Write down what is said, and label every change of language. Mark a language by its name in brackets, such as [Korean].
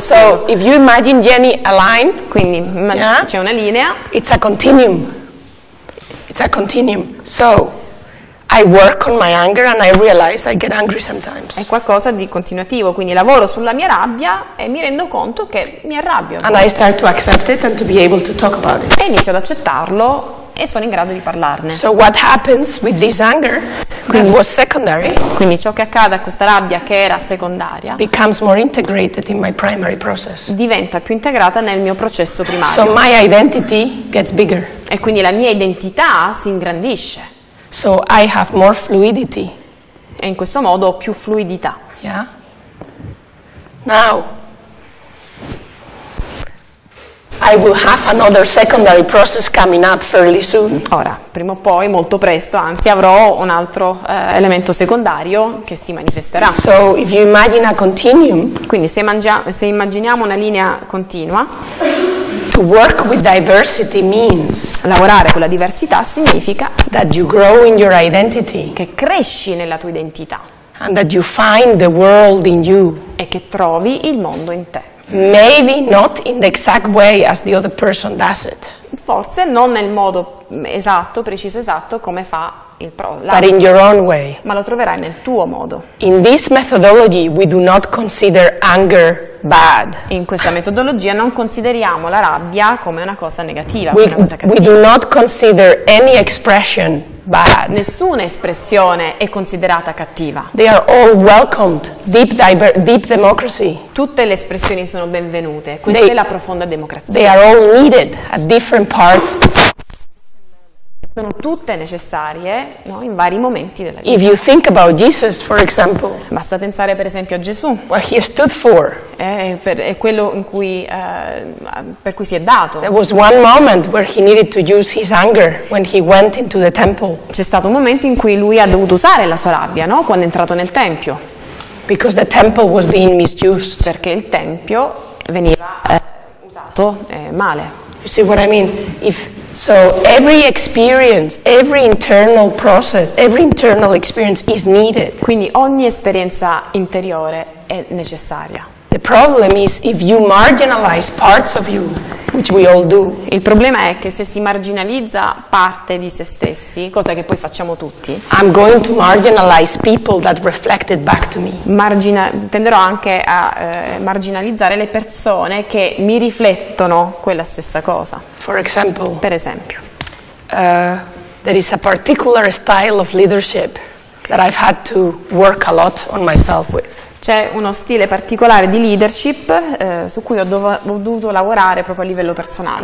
[English] so if you imagine Jenny a line, [Italian] quindi c'è una linea. [English] It's a continuum. It's a continuum. So I work on my anger and I realize I get angry sometimes. [Italian] È qualcosa di continuativo, quindi lavoro sulla mia rabbia e mi rendo conto che mi arrabbio. [English] And I start to accept it and to be able to talk about it. [Italian] E inizio ad accettarlo e sono in grado di parlarne. [English] So what happens with this anger? [Italian] Quindi, [English] was secondary, [Italian] quindi ciò che accade a questa rabbia che era secondaria [English] becomes more integrated in my primary process. [Italian] Diventa più integrata nel mio processo primario. [English] So my identity gets bigger. [Italian] E quindi la mia identità si ingrandisce. [English] So I have more fluidity. [Italian] E in questo modo ho più fluidità. [English] Yeah. Now I will have another secondary process coming up fairly soon. [Italian] Ora, prima o poi, molto presto, anzi avrò un altro elemento secondario che si manifesterà. [English] So if you imagine a continuum, [Italian] quindi se immaginiamo una linea continua, [English] to work with diversity means [Italian] lavorare con la diversità significa [English] that you grow in your identity, [Italian] che cresci nella tua identità, [English] and that you find the world in you, [Italian] e che trovi il mondo in te. [English] Maybe not in the exact way as the other person does it. [Italian] Forse non nel modo esatto, preciso esatto come fa il [English] But in your own way. [Italian] Ma lo troverai nel tuo modo. [English] In this methodology we do not consider anger bad. [Italian] In questa metodologia non consideriamo la rabbia come una cosa negativa, [English] we, [Italian] una cosa cattiva. [English] We do not consider any expression bad. [Italian] Nessuna espressione è considerata cattiva. [English] They are all welcomed. Deep democracy. [Italian] Tutte le espressioni sono benvenute. Questa è la profonda democrazia. [English] They are all needed at different parts. [Italian] Sono tutte necessarie, no, in vari momenti della vita. [English] If you think about Jesus, for example, [Italian] basta pensare per esempio a Gesù. [English] What he stood for. [Italian] È quello in cui, per cui si è dato. [English] There was one moment where he needed to use his anger when he went into the temple. [Italian] C'è stato un momento in cui lui ha dovuto usare la sua rabbia, no, quando è entrato nel tempio. [English] Because the temple was being misused. [Italian] Perché il tempio veniva usato male. [English] You see what I mean? So every experience, every internal process, every internal experience is needed. [Italian] Quindi ogni esperienza interiore è necessaria. [English] The problem is if you marginalize parts of you, which we all do. [Italian] Il problema è che se si marginalizza parte di se stessi, cosa che poi facciamo tutti. [English] I'm going to marginalize people that reflect it back to me. [Italian] Tenderò anche a marginalizzare le persone che mi riflettono quella stessa cosa. [English] For example. [Italian] Per esempio. [English] There is a particular style of leadership that I've had to work a lot on myself with. [Italian] C'è uno stile particolare di leadership su cui ho dovuto lavorare proprio a livello personale.